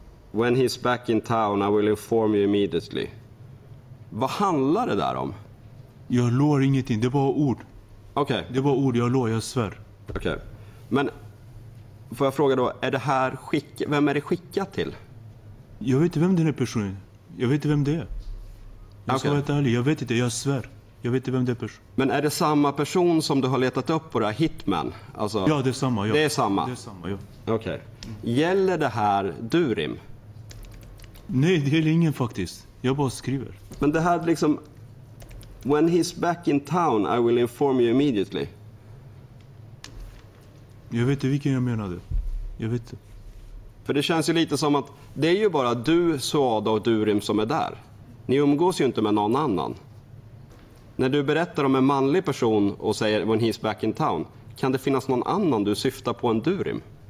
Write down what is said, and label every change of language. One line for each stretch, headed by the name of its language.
English: When he's back in town, I will inform you immediately.
Swedish: Vad handlar det där om? Jag lår ingenting, det är bara ord. Okej. Okay. Det är bara ord, jag lår, jag svär. Okej. Okay. Men får jag fråga då, är det här vem är det skickat till? Jag vet inte vem den är personen. Jag vet inte vem det är. Jag ska vara ärlig, jag vet inte, jag svär. Jag vet inte vem det är personen. Men är det samma person som du har letat upp på det här, Hitman? Alltså, ja, det är samma. Ja. Det är samma? Det är samma, ja. Okej. Okay. Gäller det här Durim? Nej, det gäller ingen faktiskt. Jag bara skriver. Men det här liksom,
English: when he's back in town, I will inform you immediately.
Swedish: Jag vet inte vilken jag menade. Jag vet inte. För det känns ju lite som att det är ju bara du, Suada och Durim som är där. Ni umgås ju inte med någon annan. När du berättar om en manlig person och säger
English: when he's back in town,
Swedish: kan det finnas någon annan du syftar på än Durim?